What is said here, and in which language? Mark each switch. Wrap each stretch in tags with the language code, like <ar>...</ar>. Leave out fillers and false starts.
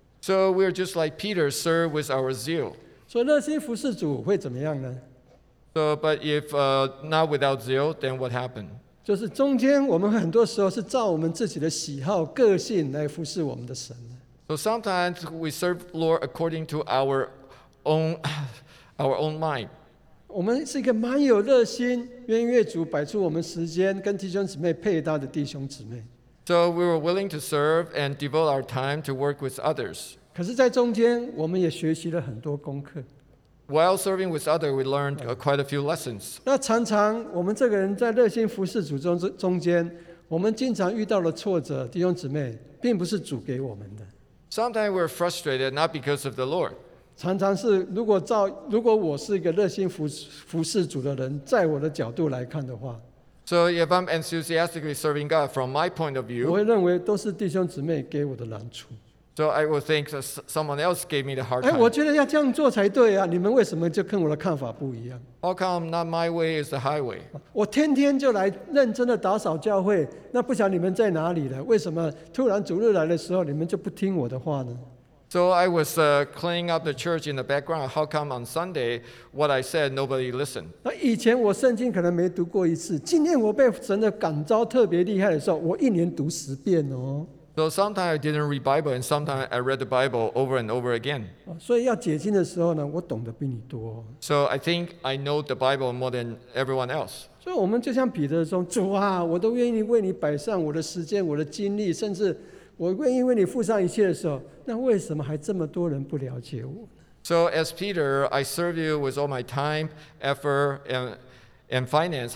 <en>So we're just like Peter, serve with our zeal.</en> <zh>所以热心服侍主会怎么样呢？</zh> <en>So, but if not without zeal, then what happened?</en> <zh>就是中间我们很多时候是照我们自己的喜好个性来服侍我们的神。</zh> <en>So sometimes we serve Lord according to our own mind.</en> <zh>我们是一个蛮有热心愿意主摆出我们时间跟弟兄姊妹配搭的弟兄姊妹。</zh> <en>So we were willing to serve and devote our time to work with others.</en> <zh>可是在中间我们也学习了很多功课。</zh> <en>While serving with others, we learned quite a few lessons.</en> <zh>那常常我们这个人在热心服侍主中间，我们经常遇到了挫折，弟兄姊妹，并不是主给我们的。</zh> <en>Sometimes we're frustrated, not because of the Lord.</en> <zh>常常是如果我是一个热心服侍主的人，在我的角度来看的话。</zh> <en>So if I'm enthusiastically serving God from my point of view,</en> <zh>我会认为都是弟兄姊妹给我的难处。</zh> <en>So I would think that someone else gave me the hard time.</en> <zh>我觉得要这样做才对啊，你们为什么就跟我的看法不一样？</zh> <en>How come not my way is the highway?</en> <zh>我天天就来认真的打扫教会，那不晓得你们在哪里了？为什么突然主日来的时候，你们就不听我的话呢？</zh> <en>So I was cleaning up the church in the background. How come on Sunday, what I said, nobody listened?</en> <zh>以前我圣经可能没读过一次，今天我被神的感召特别厉害的时候，我一年读十遍哦。</zh> <en>So sometimes I didn't read Bible, and sometimes I read the Bible over and over again.</en> <zh>所以要解经的时候呢，我懂得比你多。</zh> <en>So I think I know the Bible more than everyone else.</en> <zh>所以我们就像彼得说，主啊，我都愿意为你摆上我的时间、我的精力，甚至我愿意为你付上一切的时候，那为什么还这么多人不了解我？</zh> <en>So as Peter, I serve you with all my time, effort, and finance.</en>